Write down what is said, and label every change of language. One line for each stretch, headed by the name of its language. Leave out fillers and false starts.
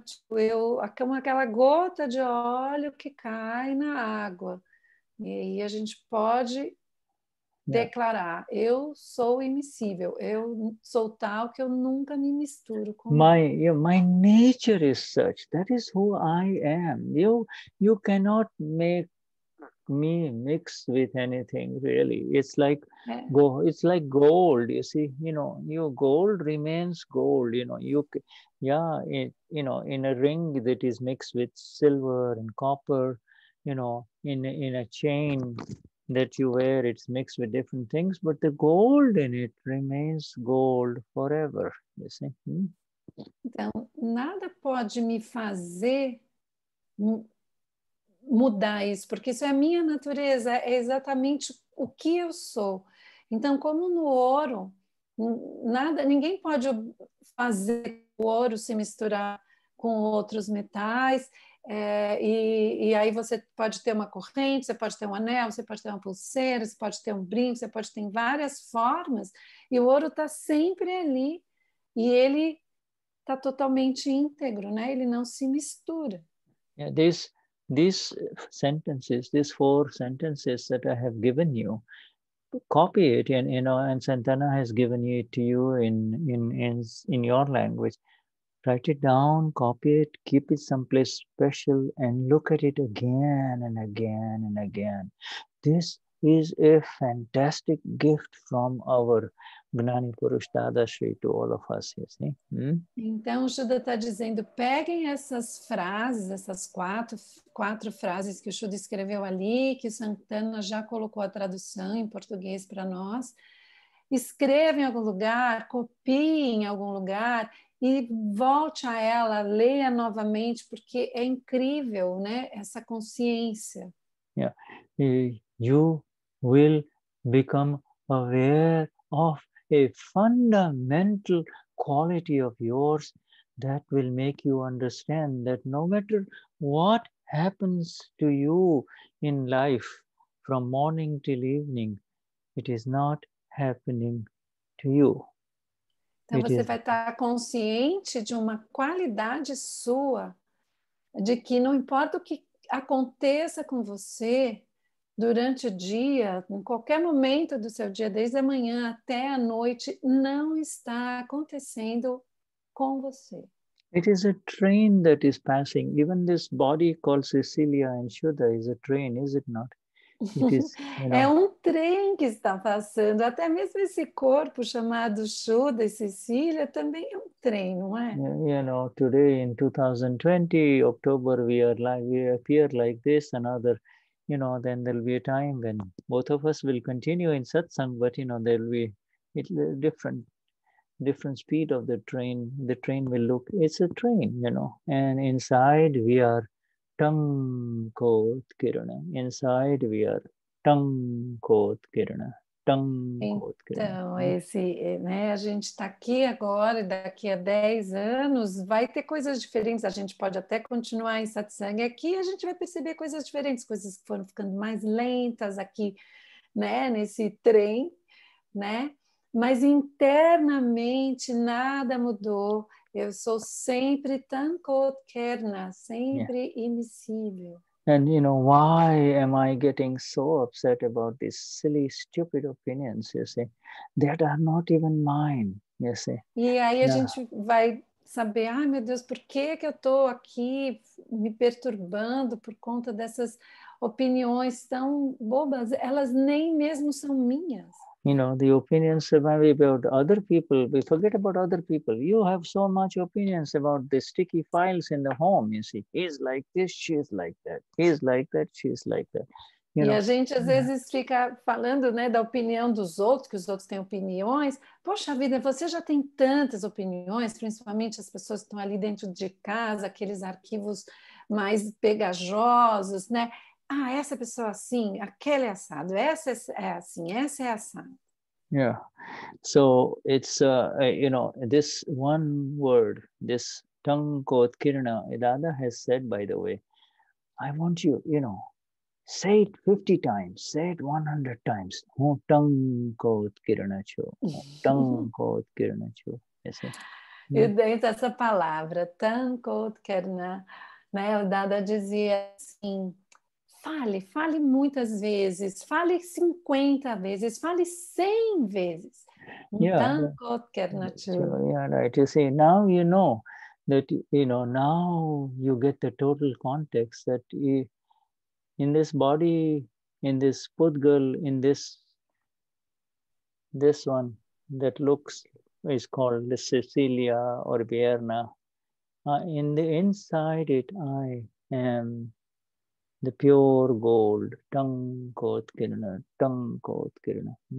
Portuguese: Eu, aquela gota de óleo que cai na água, e aí a gente pode declarar, eu sou imiscível, eu sou tal que eu nunca me misturo com...
English: My nature is such, that is who I am. You cannot make me mix with anything, really. It's like gold, you see, you know, your gold remains gold, you know. In a ring that is mixed with silver and copper, you know, in a chain that you wear, it's mixed with different things, but the gold in it remains gold forever, you see?
Portuguese: Então, nada pode me fazer mudar isso, porque isso é a minha natureza, é exatamente o que eu sou. Então, como no ouro, nada, ninguém pode fazer o ouro se misturar com outros metais. E aí você pode ter uma corrente, você pode ter um anel, você pode ter uma pulseira, você pode ter um brinco, você pode ter várias formas, e o ouro está sempre ali, e ele está totalmente íntegro, né? Ele não se mistura.
English: Yeah, these sentences, these four sentences that I have given you, copy it, and, you know, and Santana has given it to you in your language. Write it down, copy it, keep it someplace special, and look at it again and again and again. This is a fantastic gift from our Gnani Purush Dada Shri to all of us, you see?
Portuguese: Então, o Shuddha está dizendo, peguem essas frases, essas quatro frases que o Shuddha escreveu ali, que o Santana já colocou a tradução em português para nós, escrevam em algum lugar, copiem em algum lugar, e volte a ela, leia novamente, porque é incrível, né? Essa consciência.
English: Yeah. You will become aware of a fundamental quality of yours that will make you understand that no matter what happens to you in life, from morning till evening, it is not happening to you.
Portuguese: Então, você vai estar consciente de uma qualidade sua, de que não importa o que aconteça com você durante o dia, em qualquer momento do seu dia, desde a manhã até a noite, não está acontecendo com você.
English: It is a train that is passing. Even this body called Cecilia and Shuddha is a train, is it not?
Portuguese: É um trem que está passando. Até mesmo esse corpo chamado Shuddha e Cecília também é um trem, não é?
English: You know, today in 2020, October, we appear like this, another, you know, then there'll be a time when both of us will continue in satsang, but, you know, there'll be a different speed of the train. The train will look, it's a train, you know, and inside we are Tankot Kirana. Inside we are Tankot Kirana. Tankot Kirana.
Portuguese: Então, a gente está aqui agora, daqui a 10 anos, vai ter coisas diferentes. A gente pode até continuar em satsang aqui, a gente vai perceber coisas diferentes, coisas que foram ficando mais lentas aqui, né, nesse trem, né? Mas internamente nada mudou. Eu sou sempre Tankot Kerna, sempre imiscível.
English: And, you know, why am I getting so upset about these silly, stupid opinions, you see, that are not even mine, you see?
Portuguese: E aí a gente vai saber, ai, meu Deus, por que que eu tô aqui me perturbando por conta dessas opiniões tão bobas? Elas nem mesmo são minhas.
English: You know, the opinions may be about other people. We forget about other people. You have so much opinions about the sticky files in the home. You see, he's like this, she's like that. He's like that, she's like that. You
Portuguese: know? E a gente, às vezes, fica falando, né, da opinião dos outros, que os outros têm opiniões. Poxa vida, você já tem tantas opiniões, principalmente as pessoas que estão ali dentro de casa, aqueles arquivos mais pegajosos, né? Ah, essa pessoa assim, aquela é assado, essa é assim, essa é assado.
English: Yeah, so it's, you know, this one word, this tangkot kirna, Dada has said, by the way, I want you, you know, say it 50 times, say it 100 times.
Gujarati: Tangkot kirna cho, tangkot kirna cho.
Portuguese: E dentro dessa palavra, tangkot kirna, né, o Dada dizia assim, fale, fale muitas vezes, fale 50 vezes, fale 100 vezes.
English: Yeah, right. You see, now you know that, you know, now you get the total context that in this body, in this pudgal, in this one that looks, is called the Cecilia or Vierna, in the inside it, I am the pure gold, tangkot kirna, tangkot kirna.